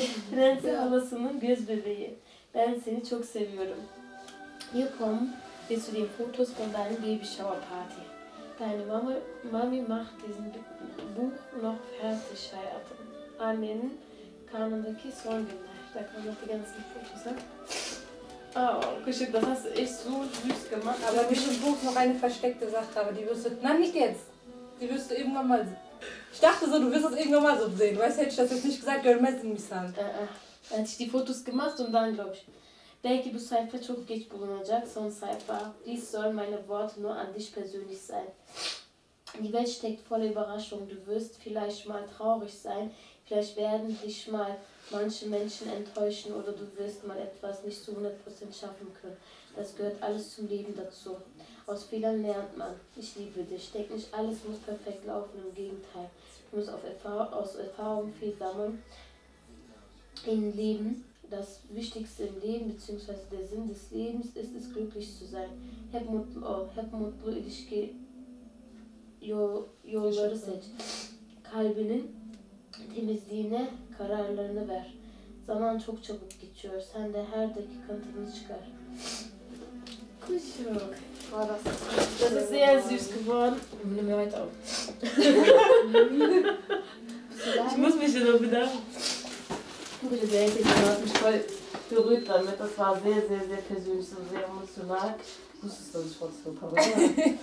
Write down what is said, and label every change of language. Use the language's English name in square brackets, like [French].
[Turkish] Prenses halasının göz bebeği. Ben seni çok seviyorum. [German] Hier kommen bis zu den Fotos von deinem Baby Shower Party. Deine Mami macht diesen Buch noch fertig, hayatım. [Turkish] Annenin karnındaki son günler. [German] Da kommen noch die ganzen Fotos, ne? Oh, Kuschel, das hast du echt so süß gemacht. Aber ich im Buch noch eine versteckte Sache, aber die wirst du... Nein, nicht jetzt. Die wirst du irgendwann mal... Ich dachte so, du wirst das irgendwann mal so sehen. Weißt du, hätte ich das jetzt nicht gesagt, [Turkish] görmezsin [German] mich sen. Hätte ich die Fotos gemacht und dann, glaube ich, [Turkish] belki bu sayfa çok geç bulunacak, son sayfa. [German] Dies soll meine Worte nur an dich persönlich sein. Die Welt steckt voller Überraschung. Du wirst vielleicht mal traurig sein. Vielleicht werden dich mal manche Menschen enttäuschen oder du wirst mal etwas nicht zu 100% schaffen können. Das gehört alles zum Leben dazu. Aus Fehlern lernt man. Ich liebe dich. Denk nicht, alles muss perfekt laufen. Im Gegenteil. Du musst aus Erfahrung viel sammeln. Im Leben, das Wichtigste im Leben, beziehungsweise der Sinn des Lebens, ist es, glücklich zu sein. [Turkish] Hep mutlu ilişki yolları seç. Kalbinin temizliğine kararlarını ver. Zaman çok çabuk geçiyor. Sen de her dakikanı tadını çıkar. Kuşuk. [German] Das ist sehr süß geworden. Nimm mir weiter auf. Ich muss mich ja noch bedanken. Du hast mich voll berührt damit. Das war sehr, sehr, sehr persönlich und sehr emotional. Ich wusste es, dass ich trotzdem ein paar Mal habe.